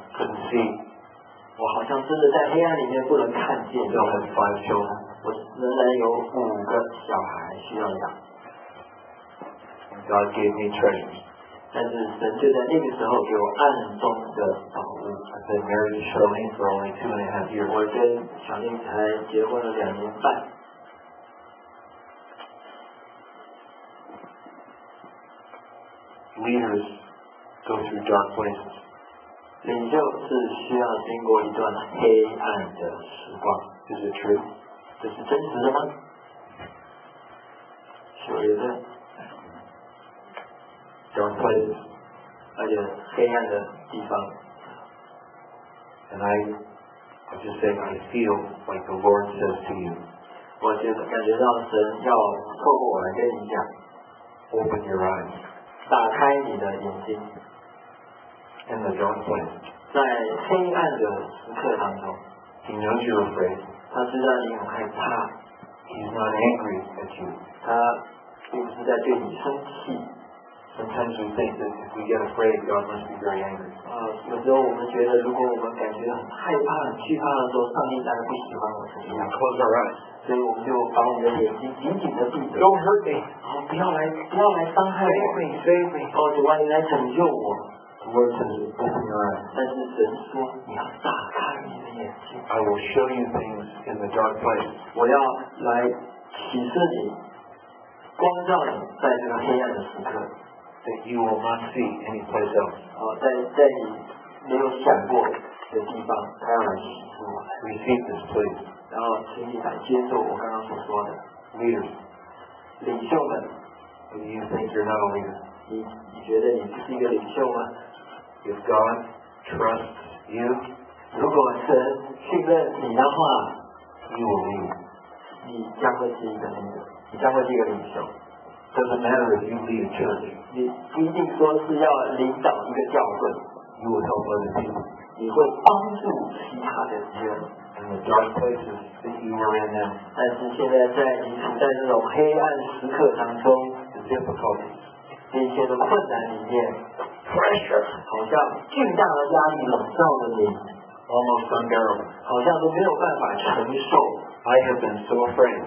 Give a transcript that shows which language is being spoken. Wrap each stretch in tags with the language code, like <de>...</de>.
<en>Couldn't see.</en> <zh>我好像真的在黑暗里面不能看见。</zh> <en>Still have five children.</en> <zh>我仍然有五个小孩需要养。</zh> <en>God gave me treasures.</en> <zh>但是神就在那个时候给我暗中的宝物。</zh> <en>I've been married to Charlene for only 2.5 years.</en> <zh>我跟小林才结婚了两年半。</zh> <en>Leaders go through dark places.</en> <zh>领袖是需要经过一段黑暗的时光。</zh> <en>Is it true?</en> <zh>这是真实的吗？</zh> <en>Sure is it? Dark places.</en> <zh>而且黑暗的地方。</zh> <en>And I just say I feel like the Lord says to you.</en> <zh>我就感觉到神要透过我来跟你讲。</zh> <en>Open your eyes.</en> <zh>打开你的眼睛。</zh> <en>In the dark place.</en> <zh>在黑暗的时刻当中。</zh> <en>He knows you're afraid.</en> <zh>他知道你很害怕。</zh> <en>He's not angry at you.</en> <zh>他并不是在对你生气。</zh> <en>Sometimes we think that if we get afraid, God must be very angry.</en> <zh>有时候我们觉得，如果我们感觉很害怕、很惧怕的时候，上帝大概不喜欢我们。</zh> <en>We close our eyes.</en> <zh>所以我们就把我们的眼睛紧紧的闭着。</zh> <en>Don't hurt me.</en> <zh>不要来伤害我。</zh> <en>Save me, save me.</en> <zh>主啊，你来拯救我。</zh> <en>The Lord says, open your eyes.</en> <zh>但是神说，你要打开你的眼睛。</zh> <en>I will show you things in the dark place.</en> <zh>我要来启示你，光照你在这个黑暗的时刻。</zh> <en>That you will not see any place else.</en> <zh>在你没有想过的地方，当然是我。</zh> <en>Receive this, please.</en> <zh>然后请你来接受我刚刚所说的。</zh> <en>Leaders.</en> <zh>领袖们。</zh> <en>Do you think you're not a leader?</en> <zh>你觉得你不是一个领袖吗？</zh> <en>If God trusts you,</en> <zh>如果神信任你的话，</zh> <en>you will lead.</en> <zh>你将会是一个 leader. 你将会是一个领袖。</zh> <en>Doesn't matter if you lead a church.</en> <zh>你不一定说是要领导一个教会。</zh> <en>You will help other people.</en> <zh>你会帮助其他的人。</zh> <en>In the dark places that you are in now.</en> <zh>但是现在在你处在这种黑暗时刻当中。</zh> <en>The difficulties.</en> <zh>那些的困难里面。</zh> <en>Pressure.</en> <zh>好像巨大的压力笼罩着你。</zh> <en>Almost unbearable.</en> <zh>好像都没有办法承受。</zh> <en>I have been so afraid.</en>